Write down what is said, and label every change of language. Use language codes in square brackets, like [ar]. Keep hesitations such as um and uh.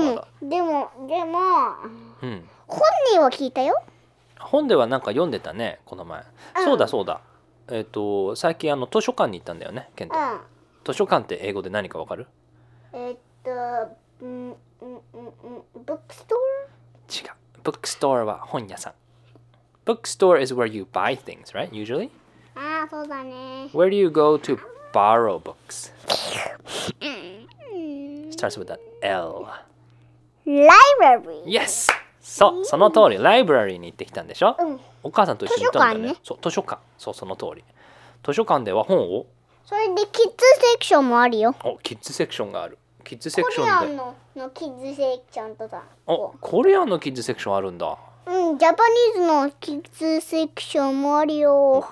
[ja] もでも、うん、本人は聞いたよ本ではなんか読んでたねこの前、うん、そうだそうだえっ、ー、と最近あの図書館に行ったんだよねケ、うん、図書館って英語で何か分かるえー、っとんんんブックストア違う [en] bookstore [ja] は本屋さん [en] bookstore is where you buy things right usually ああそうだね where do you go to borrow books starts with an L. l i b [ja] その通り。 l i b r a r に行ってきたんでしょ。うん、お母さんと一緒に、ねね、そう、図書館。そう、その通り。図書館では本を。それでキッズセクションもあるよ。キッズセクションがある。キッズセクションキッズセクションお、コリアのキッズセクションあるんだ。うん、ジャパニーズのキッズセクションもあるよ。